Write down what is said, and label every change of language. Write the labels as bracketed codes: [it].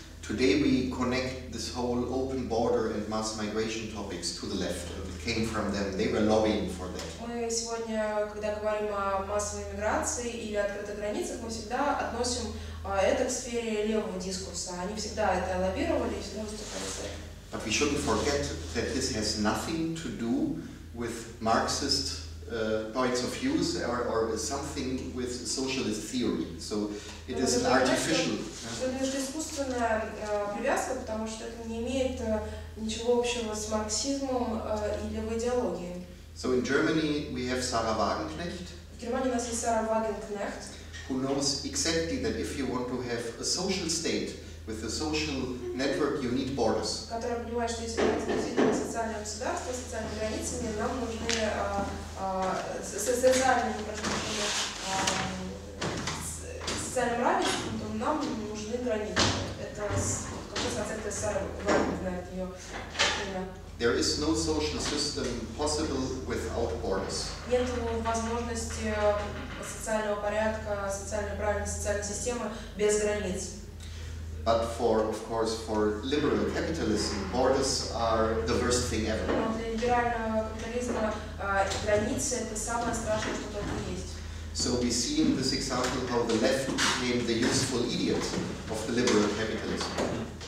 [en] Today we connect this whole open border and mass migration topics to the left. It came from them. They were lobbying for that. [ru] Мы сегодня, когда говорим о массовой миграции или открытых границах, мы всегда относим это к сфере левого дискурса. Они всегда это лоббировали и всегда выступали за это. [en] But we shouldn't forget that this has nothing to do with Marxist points of views or something with socialist theory. So it is an artificial. [ru] Это искусственная привязка, потому что это не имеет ничего общего с марксизмом или в идеологии. [en] So in Germany we have Sarah Wagenknecht. [ru] В Германии у нас есть Сара Вагенкнехт. [en] Who knows exactly that if you want to have a social state with a social network, you need borders. [ru] Которая понимает, что если мы хотим социальное государство, социальные границы, нам нужны социальным равенством, то нам нужны границы. Это какой-то концепт Сара знает ее. [en] There is no social system possible without borders. [ru] Нет возможности социального порядка, социальной правильной социальной системы без границ. [en] But for, of course, for liberal capitalism, borders are the worst thing ever. [ru] Но для либерального капитализма границы это самое страшное, что только есть. [en] So we see in this example how the left became the useful idiot of the liberal capitalism.